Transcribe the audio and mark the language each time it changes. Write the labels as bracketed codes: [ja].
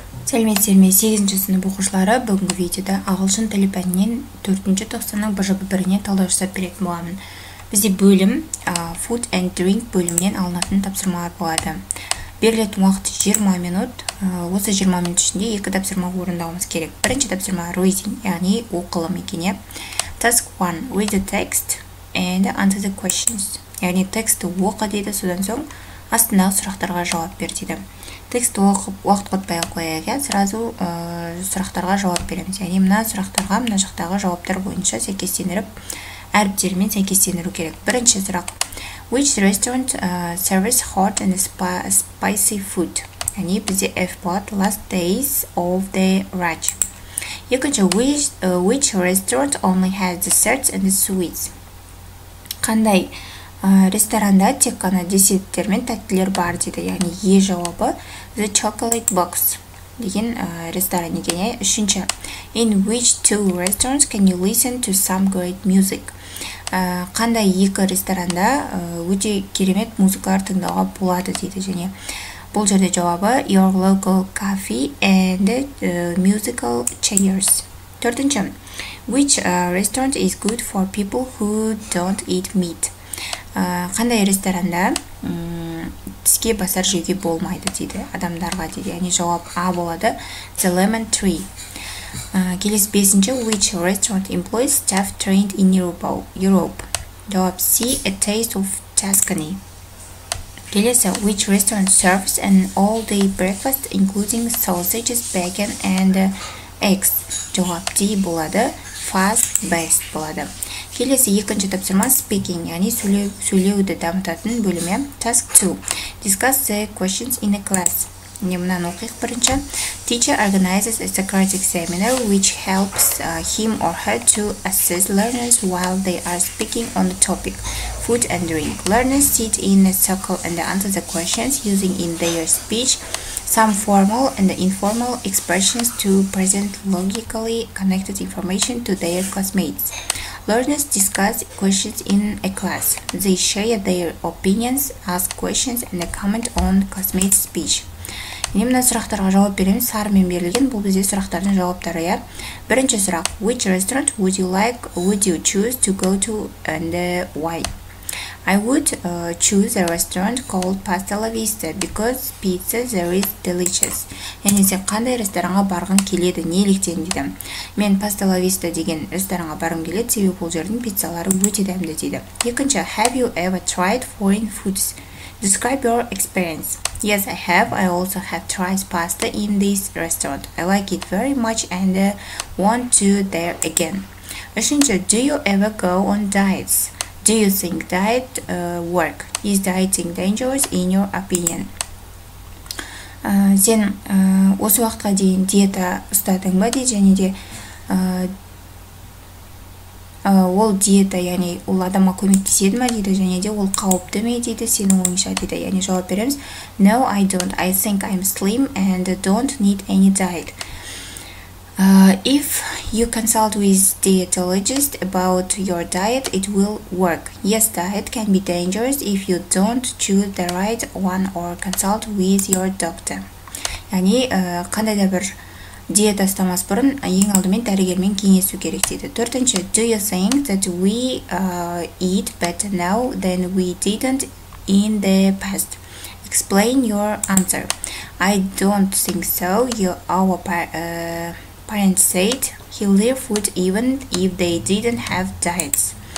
[kk] Сәлеметсіздер ме, 8-ші сынып оқушылары, бүгінгі видеода ағылшын тілі пәнінен 4-ші тоқсанның ТЖБ біріне талдау жасап беретін боламын. Бізде бөлім, food and drink бөлімінен алынатын тапсырмалар болады. Берілетін уақыт 20 минут, осы 20 минут ішінде 2 тапсырма орындауымыз керек. Бірінші тапсырма reading, яғни оқылым екен. [en] Task 1, read the text and answer the questions. [kk] Яғни тексті оқы дейді, содан соң астындағы сұрақтарға жауап бер дейді. Текст оқып, уақыт құтпай қояйық, сразу сұрақтарға жауап береміз. Яғни мына сұрақтарға, мына жақтағы жауаптар бойынша сәйкестендіріп, әріптермен сәйкестендіру керек. Бірінші сұрақ. [en] Which restaurant serves hot and spicy food? [kk] Яғни бізде F болады, last days of the Raj. Екінші, [en] which restaurant only has desserts and sweets? [kk] Қандай ресторанда тек қана десерттер мен тәттілер бар дейді, яғни Е жауабы The Chocolate Box деген ресторан екен. Үшінші, [en] in which two restaurants can you listen to some great music? [kk] Қандай екі ресторанда өте керемет музыкалар тыңдауға болады дейді, және бұл жерде жауабы Your local cafe and musical chairs. Төртінші, [en] which restaurant is good for people who don't eat meat? [kk] Қандай ресторанда тіске басар жеуге болмайды дейді, адамдарға дейді, яғни жауап А болады, The Lemon Tree. Келесі бесінші, [en] which restaurant employs staff trained in Europe? [kk] Жауап C, [en] A Taste of Tuscany. [kk] Келесі, [en] which restaurant serves an all-day breakfast including sausages, bacon and eggs? [kk] Жауап D болады, Fast Best болады. Келесі екінші тапсырма speaking, яғни сөйлеуді дамытатын бөлімі. [en] Task 2. Discuss the questions in a class. [kk] Не мынаны оқиық бірінші. [en] Teacher organizes a Socratic seminar which helps him or her to assess learners while they are speaking on the topic food and drink. Learners sit in a circle and answer the questions using in their speech some formal and informal expressions to present logically connected information to their classmates. Learners discuss questions in a class. They share their opinions, ask questions and comment on classmates' speech. [kk] Мен мына сұрақтарға жауап беремін. Сарымен берілген, бұл бізде сұрақтардың жауаптары. Бірінші сұрақ. [en] Which restaurant would you choose to go to and why? I would choose a restaurant called Pasta La Vista because pizza there is delicious. [kk] Яғни сен қандай ресторанға барғың келеді, неліктен дейді. Мен Pasta La Vista деген ресторанға барғым келеді, себебі бұл жердің пиццалары өте дәмді дейді. Екінші, [en] have you ever tried foreign foods? Describe your experience. Yes, I have. I also have tried pasta in this restaurant. I like it very much and want to there again. [kk] Үшінші, [en] do you ever go on diets? Do you think diet work? Is dieting dangerous in your opinion? [kk] Сен осы уақытқа дейін диета ұстадың ба дейді, және де ол диета, яғни ол адамға көмектеседі ма дейді, және де ол қауіпті ме дейді, сенің ойыңша дейді, яғни жауап береміз. [en] No, I don't. I think I'm slim and don't need any diet. If you consult with dietologist about your diet, it will work. Yes, diet can be dangerous if you don't choose the right one or consult with your doctor. [kk] Яғни қандай да бір диета ұстамас бұрын ең алдымен дәрігермен кеңесу керек дейді. Төртінші, [en] do you think that we eat better now than we didn't in the past? Explain your answer. I don't think so. Parents said he lived food even if they didn't have diets.